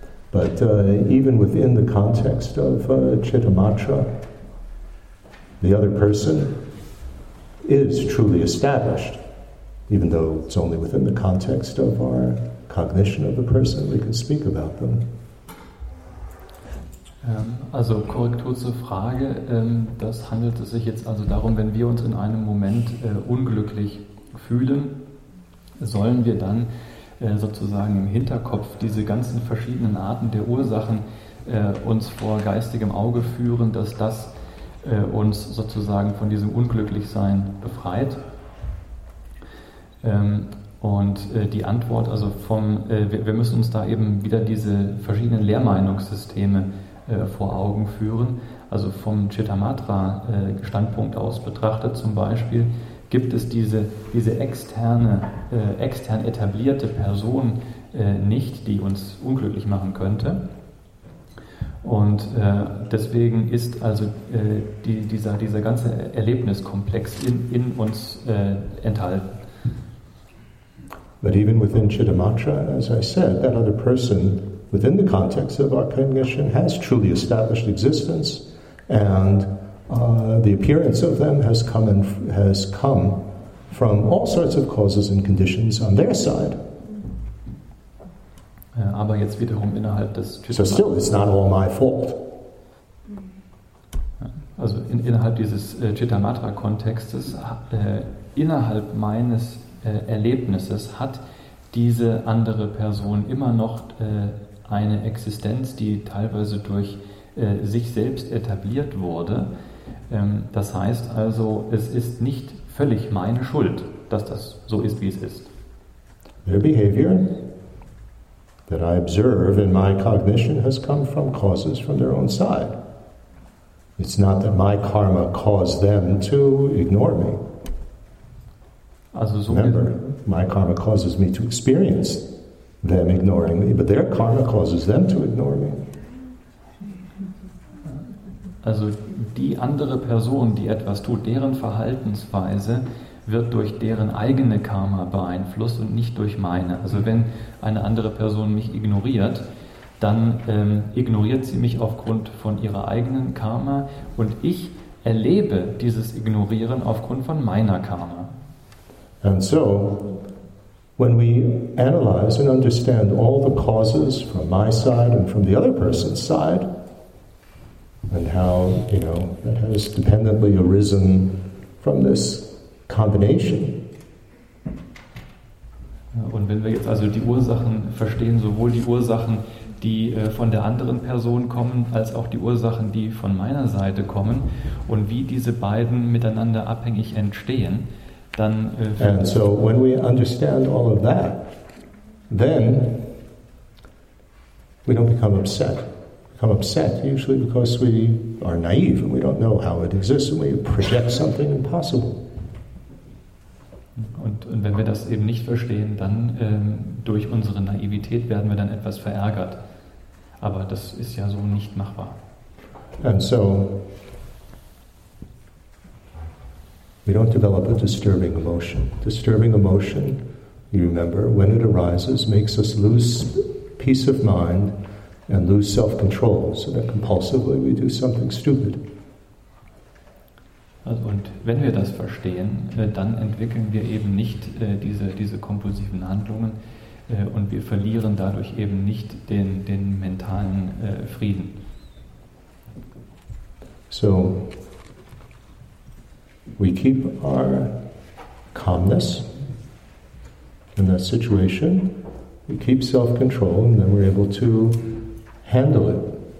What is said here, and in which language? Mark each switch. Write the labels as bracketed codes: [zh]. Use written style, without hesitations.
[en] But even within the context of Chittamatra, the other person is truly established, even though it's only within the context of our cognition of the person we can speak about them. [de] Also Korrektur zur Frage, das handelt es sich jetzt also darum, wenn wir uns in einem Moment unglücklich fühlen, sollen wir dann sozusagen im Hinterkopf diese ganzen verschiedenen Arten der Ursachen uns vor geistigem Auge führen, dass das uns sozusagen von diesem Unglücklichsein befreit? Und die Antwort, also vom, wir müssen uns da eben wieder diese verschiedenen Lehrmeinungssysteme vor Augen führen. Also vom Chittamatra-Standpunkt aus betrachtet zum Beispiel, gibt es diese externe, extern etablierte Person nicht, die uns unglücklich machen könnte. Und deswegen ist also dieser ganze Erlebniskomplex in uns enthalten. [en] But even within Chittamatra, as I said, that other person within the context of our cognition has truly established existence, and the appearance of them has come from all sorts of causes and conditions on their side. [de] Aber jetzt wiederum innerhalb des [en] So still, it's not all my fault. [de] Also innerhalb dieses Chittamatra-Kontextes, innerhalb meines Erlebnisses hat diese andere Person immer noch eine Existenz, die teilweise durch sich selbst etabliert wurde. Das heißt also, es ist nicht völlig meine Schuld, dass das so ist, wie es ist. [en] Their behavior that I observe in my cognition has come from causes from their own side. It's not that my karma caused them to ignore me. [de] Also so [en] remember, my karma causes me to experience them ignoring me, but their karma causes them to ignore me. [de] Also die andere Person, die etwas tut, deren Verhaltensweise wird durch deren eigene Karma beeinflusst und nicht durch meine. Also wenn eine andere Person mich ignoriert, dann ignoriert sie mich aufgrund von ihrer eigenen Karma und ich erlebe dieses Ignorieren aufgrund von meiner Karma. [en] And so, when we analyze and understand all the causes from my side and from the other person's side, and how, you know, that has dependently arisen from this combination. [de] Und wenn wir jetzt also die Ursachen verstehen, sowohl die Ursachen, die von der anderen Person kommen, als auch die Ursachen, die von meiner Seite kommen, und wie diese beiden miteinander abhängig entstehen, dann, [en] and so when we understand all of that, then we don't become upset. We become upset usually because we are naive and we don't know how it exists and we project something impossible. [de] Und wenn wir das eben nicht verstehen, dann durch unsere Naivität werden wir dann etwas verärgert. Aber das ist ja so nicht machbar. [en] And so we don't develop a disturbing emotion. Disturbing emotion, you remember, when it arises, makes us lose peace of mind and lose self-control, so that compulsively we do something stupid. [de] Also, und wenn wir das verstehen, dann entwickeln wir eben nicht diese kompulsiven Handlungen und wir verlieren dadurch eben nicht den mentalen Frieden. [en] So, we keep our calmness in that situation, we keep self-control, and then we're able to handle it.